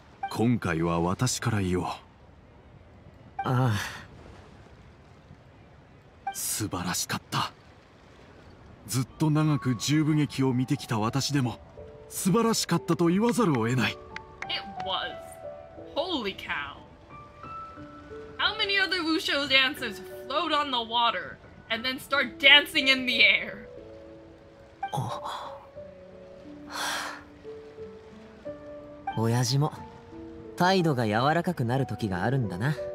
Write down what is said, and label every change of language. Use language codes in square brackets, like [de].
[ja] 今回は私から言おう。ああ。素晴らしかった。ずっと長く十部劇を見てきた私でも素晴らしかったと言わざるを得ない。 [en] It was. Holy cow. How many other wushu dancers float on the water and then start dancing in the air? [ja] お親父も態度が柔らかくなる時があるんだな。